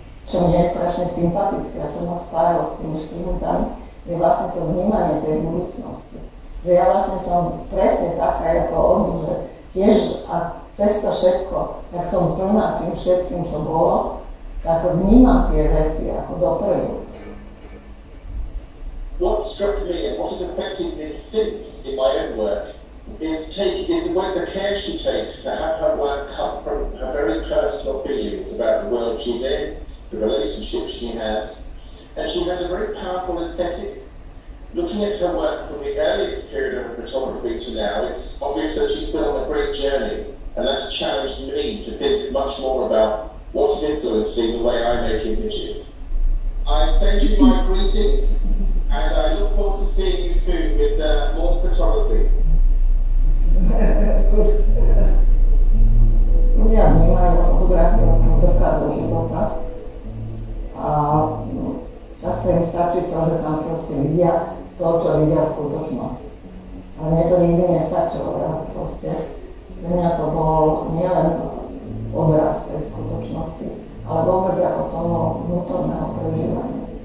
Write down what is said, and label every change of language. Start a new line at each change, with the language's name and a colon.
Slovak: Čo mne je strašne sympatické a čo ma spájalo s tými študentami, je vlastne to vnímanie tej budúcnosti. Že ja vlastne som presne taká ako on, že tiež a cez to všetko, tak som plná tým všetkým, čo bolo, tak vnímam tie veci ako dopredu.
English: What struck me and what has affected me since in my own work is the work the care she takes to have her work come from her very personal feelings about the world she's in, the relationship she has. And she has a very powerful aesthetic. Looking at her work from the earliest period of her photography to now, it's obvious that she's been on a great journey, and that's challenged me to think much more about what's influencing the way I make images. I send you my greetings. And I look forward to seeing you soon with more photography.
Slovak: Ľudia vnímajú fotografiu ako zrkadlo života a často mi stačí to, že tam proste vidia to, čo vidia v skutočnosti. A mne to nikdy nestačilo, ja proste. Pre mňa to bol nielen odraz tej skutočnosti, ale vôbec ako toho vnútorného prežívania.